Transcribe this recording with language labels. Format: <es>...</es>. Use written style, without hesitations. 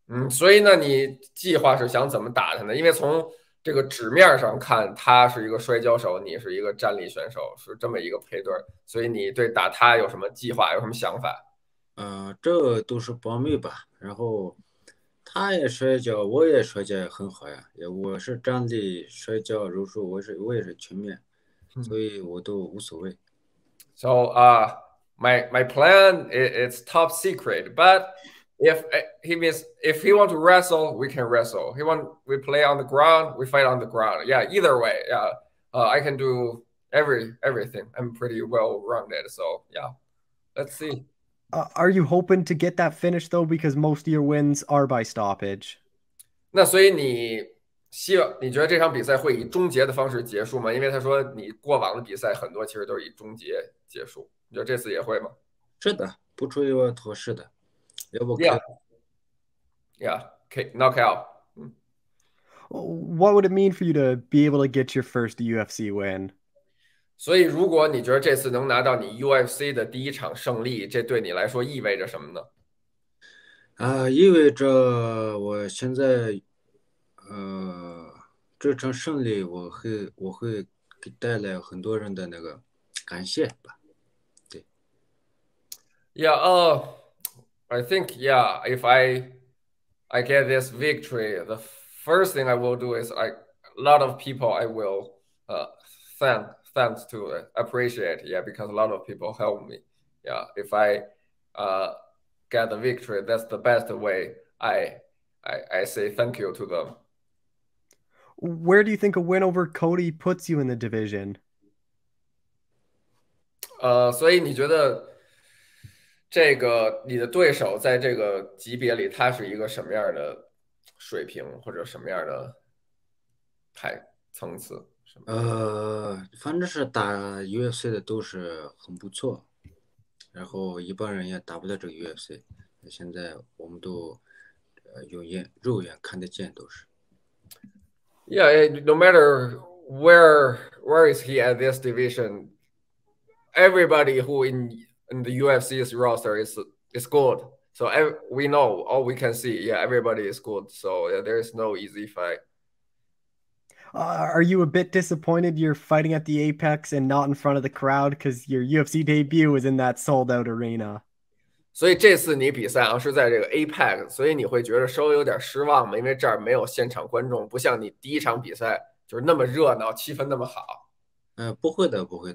<zh>所以呢，你计划是想怎么打他呢？因为从这个纸面上看，他是一个摔跤手，你是一个站立选手，是这么一个配对，所以你对打他有什么计划，有什么想法？这都是保密吧。然后，他也摔跤，我也摔跤也很好呀。也我是站立摔跤、柔术，我也是全面。所以我都无所谓。</zh> <en>So my plan it's top secret, but if he want to wrestle, we can wrestle. We play on the ground, we fight on the ground. Yeah, either way. Yeah, I can do everything. I'm pretty well-rounded. So yeah, let's see. Are you hoping to get that finish though? Because most of your wins are by stoppage.</en> <zh>那所以你希望，你觉得这场比赛会以终结的方式结束吗？因为他说你过往的比赛很多其实都是以终结结束，你觉得这次也会吗是的，不出意外，妥适的，要不 K？</zh> <en>？Yeah, knock out. What would it mean for you to be able to get your first UFC win?</en> <zh>所以如果你觉得这次能拿到你 UFC 的第一场胜利，这对你来说意味着什么呢？意味着我现在，这场胜利我会给带来很多人的那个感谢吧。</zh> <en>Yeah, I think yeah, if I get this victory, the first thing I will do is a lot of people I will thanks to appreciate, yeah, because a lot of people help me. Yeah, if I get the victory, that's the best way I say thank you to them. Where do you think a win over Cody puts you in the division?</en> <zh>So 你觉得？这个你的对手在这个级别里，他是一个什么样的水平，或者什么样的层次，什么？反正是打 UFC 的都是很不错，然后一般人也打不到这个 UFC。现在我们都用肉眼看得见，都是。</zh> <en>Yeah, no matter where is he at this division, everybody who in the UFC's roster is good. So we know, all we can see, yeah, everybody is good. So yeah, there is no easy fight. Are you a bit disappointed you're fighting at the Apex and not in front of the crowd because your UFC debut is in that sold-out arena?</en> <zh>所以这次你比赛是在这个 Apex， 所以你会觉得稍微有点失望，因为这儿没有现场观众，不像你第一场比赛就是那么热闹，气氛那么好。不会的，</zh>